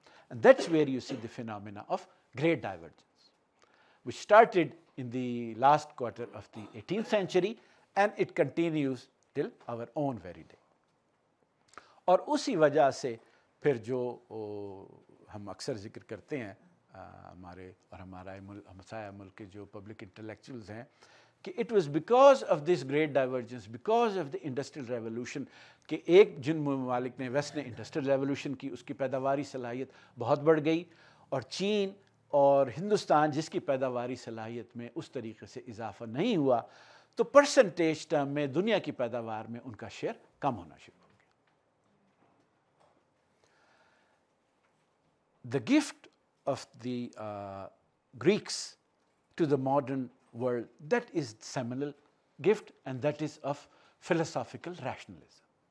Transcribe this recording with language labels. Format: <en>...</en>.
<en>That's where you see the phenomena of great divergence which started in the last quarter of the 18th century and it continues till our own very day.</en> <ur>اور اسی وجہ سے پھر جو ہم اکثر ذکر کرتے ہیں ہمارے اور ہمارا ہمسایہ ملک کے جو پبلک انٹلیکچوئلز ہیں,</ur> <en>it was because of this great divergence, because of the industrial revolution,</en> <ur>کہ ایک جن ممالک نے ویسٹ نے انڈسٹریل ریولیوشن کی اس کی پیداواری صلاحیت بہت بڑھ گئی, اور چین اور ہندوستان جس کی پیداواری صلاحیت میں اس طریقے سے اضافہ نہیں ہوا, تو پرسنٹیج ٹرم میں دنیا کی پیداوار میں ان کا شیئر کم ہونا شروع ہو گیا.</ur> <en>The gift of the Greeks to the modern world, that is seminal gift and that is of philosophical rationalism.</en>